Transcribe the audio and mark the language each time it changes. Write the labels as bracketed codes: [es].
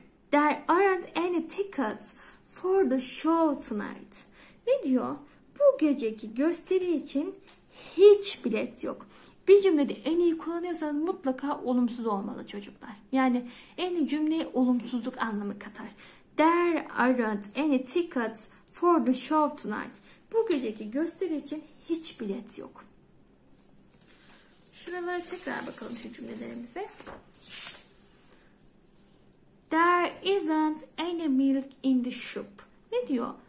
[en] There aren't any tickets for the show tonight. [tr] Ne diyor? Bu geceki gösteri için hiç bilet yok. Bir cümlede en iyi kullanıyorsanız mutlaka olumsuz olmalı çocuklar. Yani en iyi cümleye olumsuzluk anlamı katar. [en] There aren't any tickets for the show tonight. [tr] Bu geceki gösteri için hiç bilet yok. Şuralara tekrar bakalım şu cümlelerimize. [en] There isn't any milk in the soup. [tr] Ne diyor?